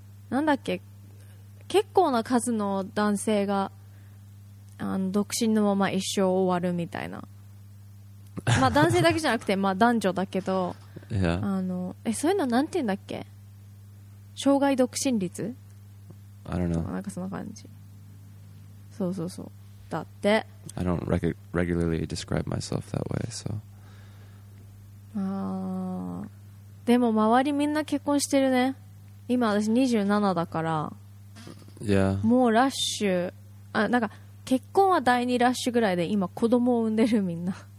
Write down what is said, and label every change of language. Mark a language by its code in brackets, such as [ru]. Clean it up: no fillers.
[ja] なんだっけ、結構な数の男性が独身のまま一生終わるみたいな、まあ男性だけじゃなくてまあ男女だけど、いや、そういうのなんて言うんだっけ、生涯独身率、 [en] I don't know. [ja] なんかそんな感じ、そうそうそう、だって [en] I don't regularly describe myself that way, so. [ja] あー、でも周りみんな結婚してるね、今私27だから、いや、 [en] yeah. [ja] もうラッシュ、あ、なんか結婚は第二ラッシュぐらいで今子供を産んでるみんな、